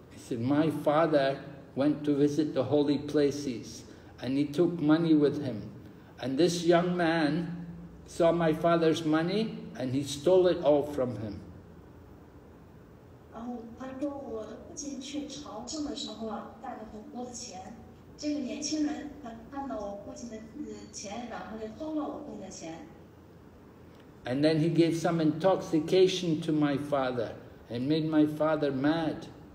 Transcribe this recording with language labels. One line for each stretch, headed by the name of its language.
English: "My father went to visit the holy places, and he took money with him, and this young man saw my father's money, and he stole it all from him."
Chinese: 然后他说，我父亲去朝圣的时候啊，带了很多的钱。这个年轻人他看到我父亲的钱，然后就偷了我父亲的钱。
English: And then he gave some intoxication to my father and made my father mad.